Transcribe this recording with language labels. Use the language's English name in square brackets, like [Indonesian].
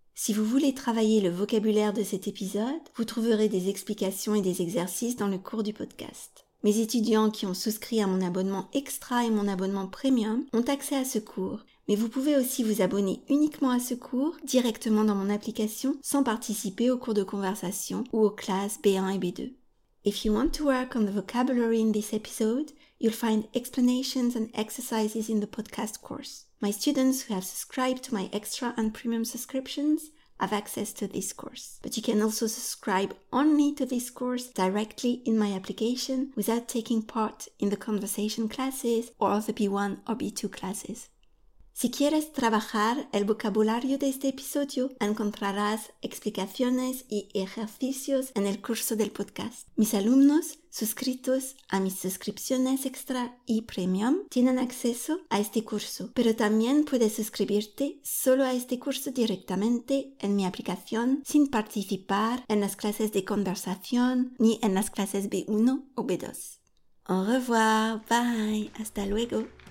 [French] Si vous voulez travailler le vocabulaire de cet épisode, vous trouverez des explications et des exercices dans le cours du podcast. Mes étudiants qui ont souscrit à mon abonnement extra et mon abonnement premium ont accès à ce cours, mais vous pouvez aussi vous abonner uniquement à ce cours directement dans mon application sans participer aux cours de conversation ou aux classes B1 et B2. [English] If you want to work on the vocabulary in this episode, you'll find explanations and exercises in the podcast course. My students who have subscribed to my extra and premium subscriptions have access to this course. But you can also subscribe only to this course directly in my application without taking part in the conversation classes or the B1 or B2 classes. [Spanish] Si quieres trabajar el vocabulario de este episodio, encontrarás explicaciones y ejercicios en el curso del podcast. Mis alumnos, suscritos a mis suscripciones extra y premium, tienen acceso a este curso, pero también puedes suscribirte solo a este curso directamente en mi aplicación sin participar en las clases de conversación ni en las clases B1 o B2. [French] Au revoir, [Spanish] bye, hasta luego.